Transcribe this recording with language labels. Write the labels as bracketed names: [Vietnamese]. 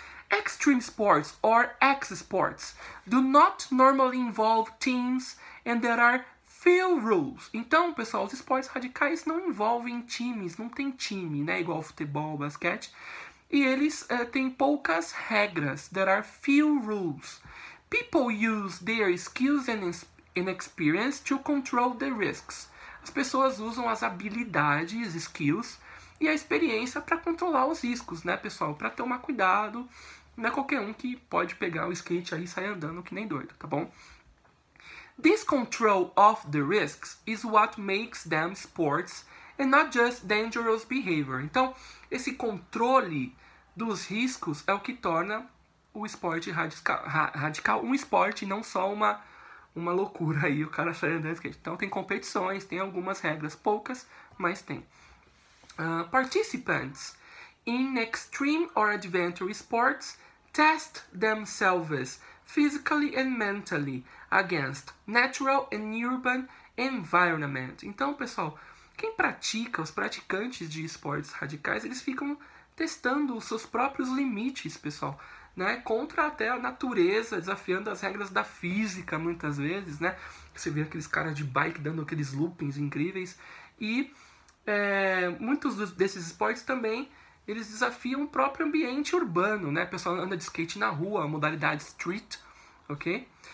[English] Extreme sports or X-sports do not normally involve teams and there are few rules. [Portuguese] Então, pessoal, os esportes radicais não envolvem times, não tem time, né? Igual futebol, basquete. E eles têm poucas regras. [English] There are few rules. People use their skills and experience to control the risks. [Portuguese] As pessoas usam as habilidades, skills e a experiência para controlar os riscos, né, pessoal? Para tomar cuidado, não é qualquer um que pode pegar o skate aí e sair andando que nem doido, tá bom? [English] This control of the risks is what makes them sports and not just dangerous behavior. [Portuguese] Então, esse controle dos riscos é o que torna o esporte radical, um esporte, não só uma loucura aí, o cara sai andando de skate. Então tem competições, tem algumas regras, poucas, mas tem. [English] Participants in extreme or adventure sports test themselves physically and mentally against natural and urban environment. [Portuguese] Então, pessoal, quem pratica, os praticantes de esportes radicais, eles ficam testando os seus próprios limites, pessoal. Né, contra até a natureza, desafiando as regras da física muitas vezes, né? Você vê aqueles caras de bike dando aqueles loopings incríveis. E muitos desses esportes também, eles desafiam o próprio ambiente urbano, né? O pessoal anda de skate na rua, modalidade street, ok?